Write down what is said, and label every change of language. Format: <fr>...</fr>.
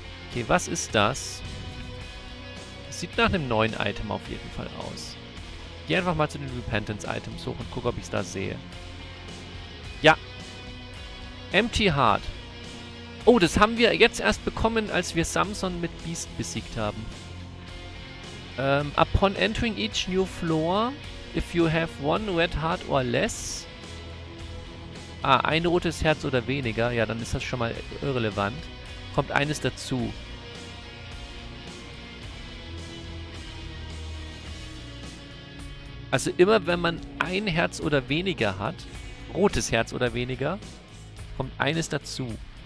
<de>Okay, was ist das? Sieht nach einem neuen Item auf jeden Fall aus. Geh einfach mal zu den Repentance-Items hoch und guck, ob ich es da sehe. Ja. Empty Heart. Oh, das haben wir jetzt erst bekommen, als wir Samson mit Beast besiegt haben.</de> <en>Upon entering each new floor, if you have one red heart or less.</en> <de>Ah, ein rotes Herz oder weniger. Ja, dann ist das schon mal irrelevant. Kommt eines dazu. Also immer wenn man ein Herz oder weniger hat, rotes Herz oder weniger, kommt eines dazu.</de>